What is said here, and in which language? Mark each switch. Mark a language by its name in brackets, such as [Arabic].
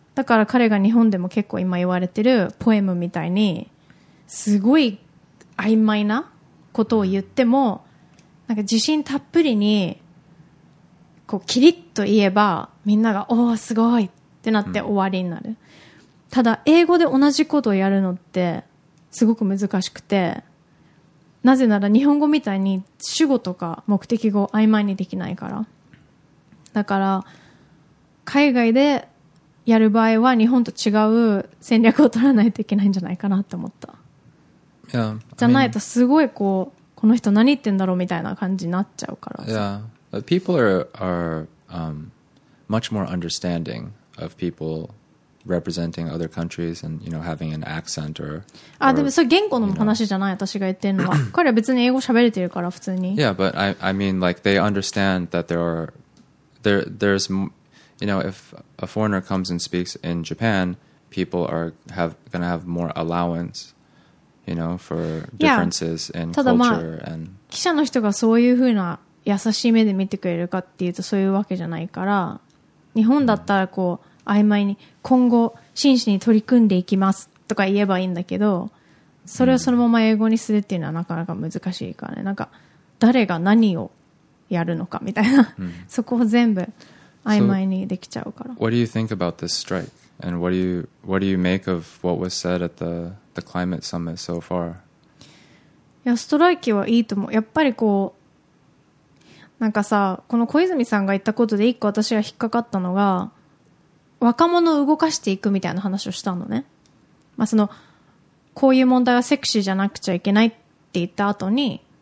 [Japanese] だから彼が日本でも結構今言われてるポエムみたいにすごい曖昧なことを言っても、なんか自信たっぷりにこうキリッと言えばみんながおおすごいってなって終わりになる、うん、ただ英語で同じことをやるのってすごく難しくて、なぜなら日本語みたいに主語とか目的語を曖昧にできないから。だから海外でやる場合は日本と違う戦略を取らないといけないんじゃないかなって思った、 [English] yeah. [Japanese] じゃないとすごいこうこの人何言ってんだろうみたいな感じになっちゃうから、 [English] yeah. But people are much more understanding of peopleRepresenting other countries and you know having an accent or [Japanese] ah, でもそれ言語の話じゃない、私が言ってるのは。彼は別に英語喋れてるから普通に。 [English] Yeah, but I mean like they understand that there's you know if a foreigner comes and speaks in Japan, people are gonna have more allowance, you know, for differences in culture and [Japanese] 記者の人がそういうふうな優しい目で見てくれるかっていうとそういうわけじゃないから日本だったらこう曖昧に今後真摯に取り組んでいきますとか言えばいいんだけどそれをそのまま英語にするっていうのはなかなか難しいからねなんか誰が何をやるのかみたいな、うん、そこを全部曖昧にできちゃうから、 [English] so、What do you think about this strike? And what do you make of what was said at the climate summit so far? [Japanese] いやストライキはいいと思うやっぱりこうなんかさこの小泉さんが言ったことで一個私が引っかかったのが若者を動かしていくみたいな話をしたのね、まあ、そのこういう問題はセクシーじゃなくちゃいけないって言った後に